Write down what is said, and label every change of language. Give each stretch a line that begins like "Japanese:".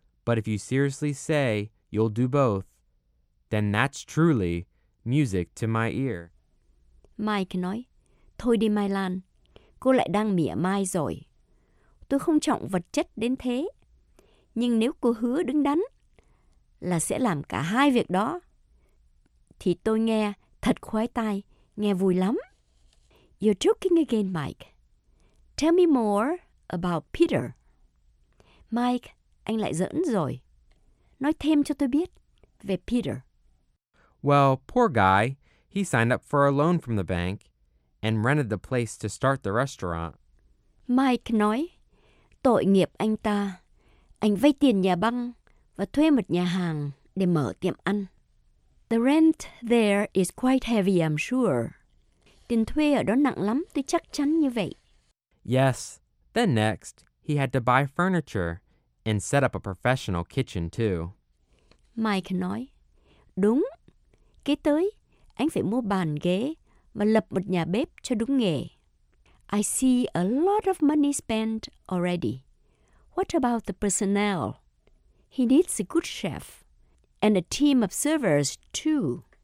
English: But if you seriously say you'll do both, then that's truly music to my ear.
Vietnamese: Mike nói, thôi đi Milan, cô lại đang mỉa mai rồi. Tôi không trọng vật chất đến thế. Nhưng nếu cô hứa đứng đắn là sẽ làm cả hai việc đó, thì tôi nghe thật khoái tai, nghe vui lắm.
English: You're joking again, Mike. Tell me more about Peter.
Vietnamese: Mike, anh lại giỡn rồi. Nói thêm cho tôi biết về Peter.
English: Well, poor guy. He signed up for a loan from the bank and rented the place to start the restaurant.
Vietnamese: Mike nói, tội nghiệp anh ta. Anh vay tiền nhà băng và thuê một nhà hàng để mở tiệm ăn.
English: The rent there is quite heavy, I'm sure.
Vietnamese: Tiền thuê ở đó nặng lắm, tôi chắc chắn như vậy.
English: Yes. Then next, he had to buy furniture and set up a professional kitchen too.
Vietnamese: Mike nói, đúng. Kế tới, anh phải mua bàn ghế và lập một nhà bếp cho đúng nghề.
English: I see a lot of money spent already. What about the personnel? He needs a good chef and a team of servers too.